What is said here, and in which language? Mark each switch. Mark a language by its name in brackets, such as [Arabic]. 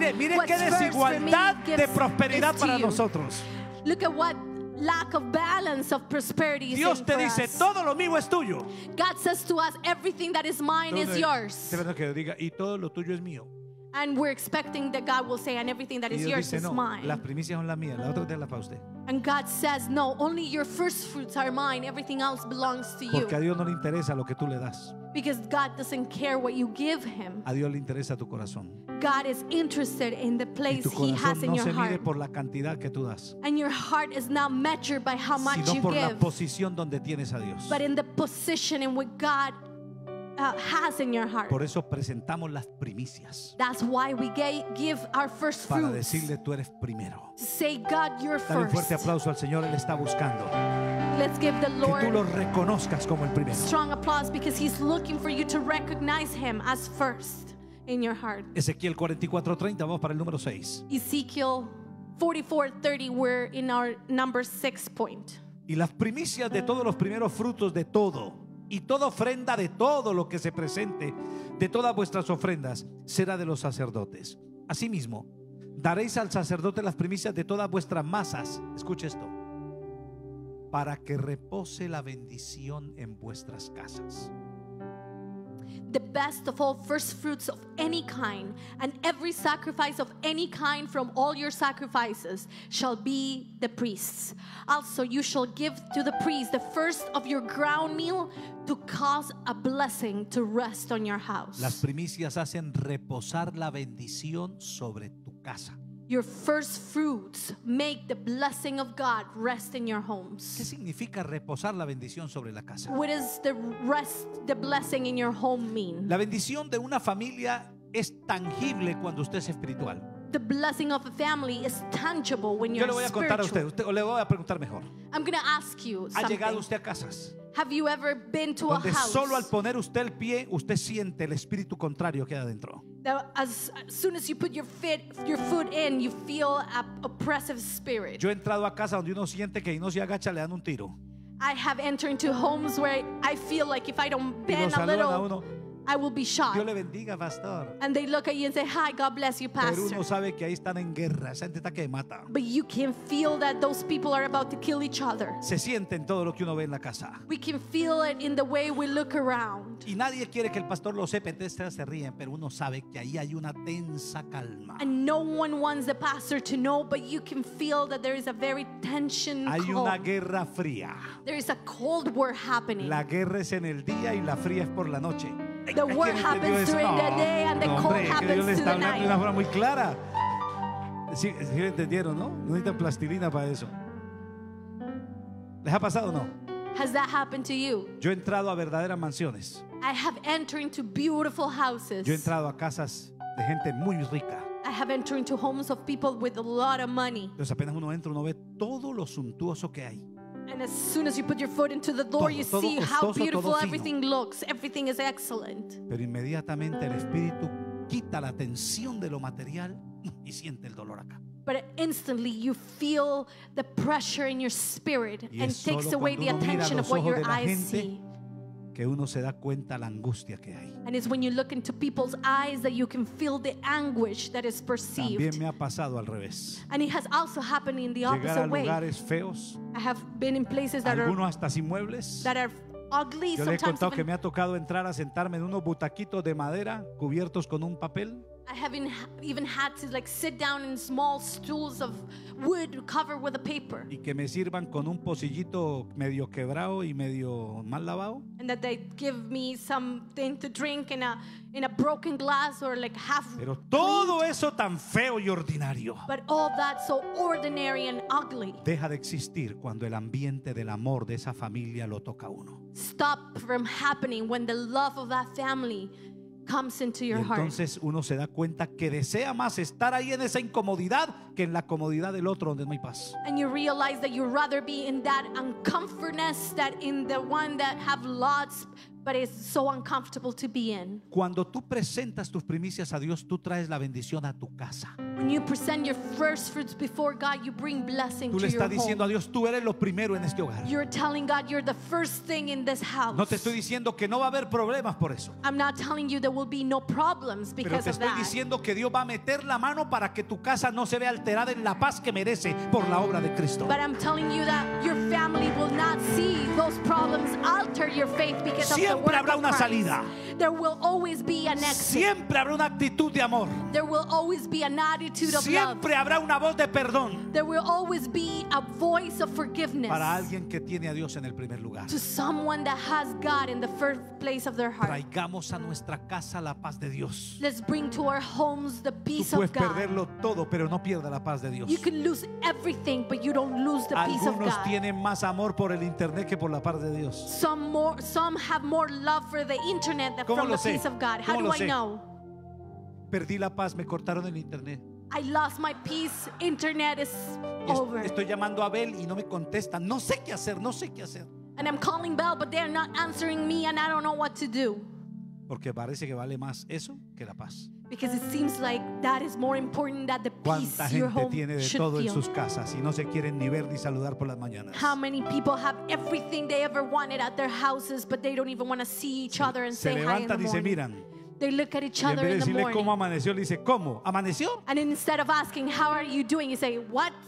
[Spanish] Mire qué desigualdad de prosperidad para nosotros. [English] Look at what lack of balance of prosperity is. [Spanish] Dios te dice, todo lo mío es tuyo. [English] God says to us, everything that is mine is yours. [Spanish] Espero que diga, y todo lo tuyo es mío. [English] And we're expecting that God will say, and everything that is yours [Spanish] dice, no, [English] is mine. [Spanish] Las primicias son las mías, la otra te la pa usted. [English] And God says, no, only your first fruits are mine, everything else belongs to you. [Spanish] Porque a Dios no le interesa lo que tú le das. [English] Because God doesn't care what you give him. [Spanish] A Dios le interesa tu corazón. [English] God is interested in the place he has [Spanish] no [English] in your heart. [Spanish] Y tu corazón no se mide por la cantidad que tú das. [English] And your heart is not measured by how much [Spanish] sino por [English] give. [Spanish] La posición donde tienes a Dios. [English] But in the position in which God has in your heart. [Spanish] Por eso presentamos las primicias. [English] That's why we give our first fruits. [Spanish] Para decirle, tú eres primero. [English] Say God you're [Spanish] first. Dale un fuerte aplauso al Señor, él está buscando. [English] Let's give the Lord [Spanish] que tú lo reconozcas como el primero. [English] Strong applause because he's looking for you to recognize him as first in your heart. [Spanish] Ezequiel 44:30, vamos para el número 6. [English] Ezekiel 44:30, we're in our number 6 point. [Spanish] Y las primicias de todos los primeros frutos de todo y toda ofrenda de todo lo que se presente de todas vuestras ofrendas será de los sacerdotes. Asimismo, daréis al sacerdote las primicias de todas vuestras masas. Escuche esto. Para que repose la bendición en vuestras casas. [English] the best of all first fruits of any kind, and every sacrifice of any kind from all your sacrifices shall be the priest's. Also, you shall give to the priest the first of your ground meal to cause a blessing to rest on your house. [Spanish] Las primicias hacen reposar la bendición sobre tu casa. [English] Your first fruits make the blessing of God rest in your homes. [Spanish] ¿Qué significa reposar la bendición sobre la casa? [English] What does the rest, the blessing in your home mean? [Spanish] La bendición de una familia es tangible cuando usted es espiritual. [English] The blessing of a family is tangible when you're spiritual. [Spanish] Yo le voy a contar a usted, o le voy a preguntar mejor. [English] I'm going to ask you something. [Spanish] ¿Ha llegado usted a casas? [English] Have you ever been to a house? [Spanish] Donde solo al poner usted el pie, usted siente el espíritu contrario que hay adentro. [English] Now, as soon as you put your foot in, you feel an oppressive spirit. [Spanish] Yo he entrado a casa donde uno siente que si no se agacha le dan un tiro. [English] I have entered into homes where I feel like if I don't bend a little, I will be shot. [Spanish] Dios le bendiga, pastor. [English] And they look at you and say, "Hi, God bless you, pastor." [Spanish] Pero uno sabe que ahí están en guerra, esa gente está que mata. [English] But you can feel that those people are about to kill each other. [Spanish] Se siente en todo lo que uno ve en la casa. [English] We can feel it in the way we look around. [Spanish] Y nadie quiere que el pastor lo sepa, entonces se ríen, pero uno sabe que ahí hay una tensa calma. [English] And no one wants the pastor to know, but you can feel that there is a very tension. [Spanish] Hay una guerra fría. [English] There is a cold war happening. [Spanish] La guerra es en el día y la fría es por la noche. [English] The war happens during the day and the cold happens through the night. [Spanish] Le está hablando de una forma muy clara. Sí, entendieron, ¿no? No necesita plastilina para eso. ¿Les ha pasado o no? [English] Has that happened to you? [Spanish] Yo he entrado a verdaderas mansiones. [English] I have entered into beautiful houses. [Spanish] Yo he entrado a casas de gente muy rica. [English] I have entered into homes of people with a lot of money. [Spanish] Entonces apenas uno entra, uno ve todo lo suntuoso que hay. [English] And as soon as you put your foot into the door, [Spanish] todo, [English] you see [Spanish] costoso, [English] how beautiful everything looks. Everything is excellent. [Spanish] Pero inmediatamente el espíritu quita la tensión de lo material y siente el dolor acá. [English] But instantly you feel the pressure in your spirit and takes away the attention of what your eyes see. [Spanish] Que uno se da cuenta la angustia que hay. [English] And it's when you look into people's eyes that you can feel the anguish that is perceived. [Spanish] También me ha pasado al revés. [English] And it has also happened in the opposite way. [Spanish] Llegar a lugares feos. [English] I have been in places that [Spanish] are, hasta sin muebles. [English] That are ugly. [Spanish] Yo le he contado que me ha tocado entrar a sentarme en unos butaquitos de madera cubiertos con un papel. [English] I have even had to like sit down in small stools of wood covered with a paper. [Spanish] Y que me sirvan con un pocillito medio quebrado y medio mal lavado. [English] And that they give me something to drink in a broken glass or like half. [Spanish] Pero todo eso tan feo y ordinario. [English] But all that so ordinary and ugly. [Spanish] Deja de existir cuando el ambiente del amor de esa familia lo toca uno. [English] Stop from happening when the love of that family comes into your heart. [Spanish] Entonces uno se da cuenta que desea más estar ahí en esa incomodidad que en la comodidad del otro donde no hay paz. [English] And you realize that you'd rather be in that uncomfortness than in the one that have lots but is so uncomfortable to be in. [Spanish] Cuando tú presentas tus primicias a Dios, tú traes la bendición a tu casa. [English] When you present your first fruits before God, you bring blessing to your [Spanish] Tú le estás diciendo a Dios, tú eres lo primero en este hogar. [English] You're telling God you're the first thing in this house. [Spanish] No te estoy diciendo que no va a haber problemas por eso. [English] I'm not telling you there will be no problems because of that. [Spanish] Pero te estoy diciendo que Dios va a meter la mano para que tu casa no se vea alterada en la paz que merece por la obra de Cristo. [English] But I'm telling you that your family will not see those problems alter your faith because of [Spanish] siempre habrá una salida. [English] There will always be an exit. [Spanish] Siempre habrá una actitud de amor. [English] There will always be an attitude of love. [Spanish] Siempre habrá una voz de perdón. [English] There will always be a voice of forgiveness. [Spanish] Para alguien que tiene a Dios en el primer lugar. [English] To someone that has God in the first place of their heart. [Spanish] Traigamos a nuestra casa la paz de Dios. [English] Let's bring to our homes the peace of God. [Spanish] Tú puedes perderlo todo, pero no pierdas la paz de Dios. [English] You can lose everything, but you don't lose the peace of God. [Spanish] Algunos tienen más amor por el internet que por la paz de Dios. [English] Some have more love for the internet than from the peace of God. How do I know? [Spanish] Perdí la paz, me cortaron el internet. [English] I lost my peace, internet is over. [Spanish] Estoy llamando a Abel y no me contesta. No sé qué hacer, no sé qué hacer. [English] And I'm calling Bell, but they're not answering me and I don't know what to do. [Spanish] Porque parece que vale más eso que la paz. [English] Because it seems like that is more important than the peace your home [Spanish] should tiene de todo [English] feel. [Spanish] En sus casas y no se quieren ni ver ni saludar por las mañanas. [English] How many people have everything they ever wanted at their houses but they don't even want to see each other and [Spanish] se [English] say [Spanish] levanta, [English] hi in the morning. [Spanish] Se levantan y se miran. [English] They look at each other in the morning. [Spanish] ¿Cómo amaneció? Le dice, ¿cómo? ¿Amaneció? [English] And instead of asking how are you doing, you say, what?